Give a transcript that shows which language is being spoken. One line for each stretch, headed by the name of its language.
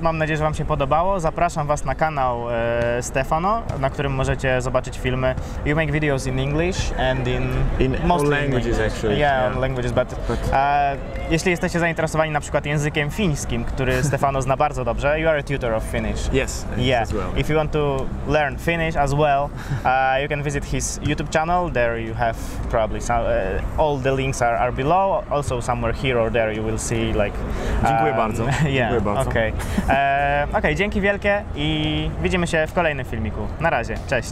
Polish: Mam nadzieję, że wam się podobało. Zapraszam was na kanał Stefano, na którym możecie zobaczyć filmy.
English: You make videos in English and in all languages in actually. Yeah, yeah, all languages, but
Polish: jeśli jesteście zainteresowani na przykład językiem fińskim, który Stefano zna bardzo dobrze,
English: you are a tutor of Finnish. Yes, yeah. As well. If you want to learn Finnish as well, you can visit his YouTube channel. There you have probably some, all the links are below, also somewhere here or there you will see like...
Polish: Dziękuję bardzo.
English: Yeah,
Polish: dziękuję bardzo.
English: Okay.
Polish: Okay, dzięki wielkie i widzimy się w kolejnym filmiku. Na razie, cześć.